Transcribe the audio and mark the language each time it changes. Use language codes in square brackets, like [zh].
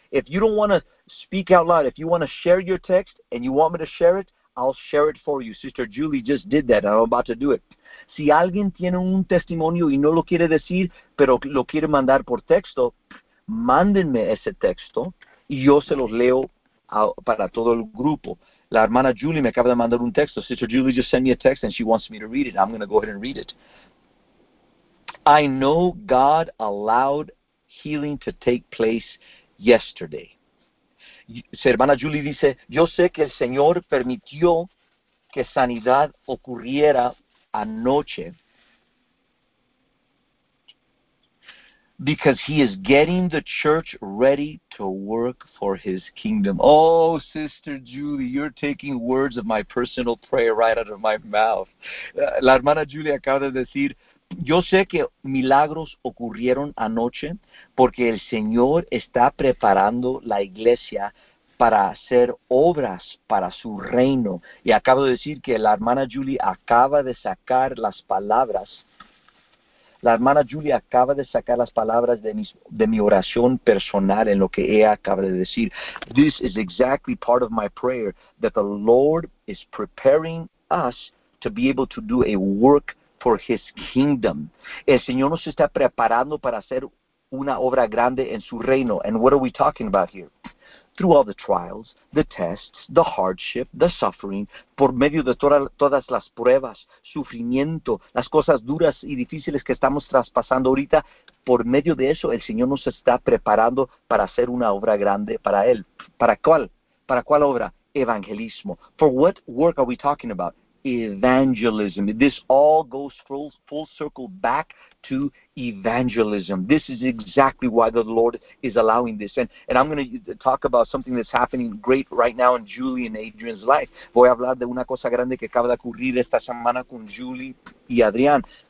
[en] If you don't want to speak out loud, if you want to share your text and you want me to share it, I'll share it for you. Sister Julie just did that. I'm about to do it. [es] Si alguien tiene un testimonio y no lo quiere decir, pero lo quiere mandar por texto, mándenme ese texto y yo se los leo para todo el grupo. La hermana Julie me acaba de mandar un texto. [en] Sister Julie just sent me a text and she wants me to read it. I'm going to go ahead and read it. I know God allowed healing to take place yesterday. [es] Hermana Julie dice, yo sé que el Señor permitió que sanidad ocurriera anoche, [en] because he is getting the church ready to work for his kingdom. Oh, Sister Julie, you're taking words of my personal prayer right out of my mouth. [es] La hermana Julie acaba de decir, yo sé que milagros ocurrieron anoche porque el Señor está preparando la iglesia para hacer obras para su reino. Y acabo de decir que la hermana Julie acaba de sacar las palabras. La hermana Julie acaba de sacar las palabras de mi oración personal en lo que ella acaba de decir. [en] This is exactly part of my prayer, that the Lord is preparing us to be able to do a work for his kingdom. [es] El Señor nos está preparando para hacer una obra grande en su reino. [en] And what are we talking about here? Through all the trials, the tests, the hardship, the suffering, [es] por medio de todas las pruebas, sufrimiento, las cosas duras y difíciles que estamos traspasando ahorita, por medio de eso, el Señor nos está preparando para hacer una obra grande para él. ¿Para cuál? ¿Para cuál obra? Evangelismo. [en] For what work are we talking about? evangelism. This all goes full circle back to evangelism. This is exactly why the Lord is allowing this. And I'm going to talk about something that's happening great right now in Julie and Adrian's life. [es] Voy a hablar de una cosa grande que acaba de ocurrir esta semana con Julie y Adrian.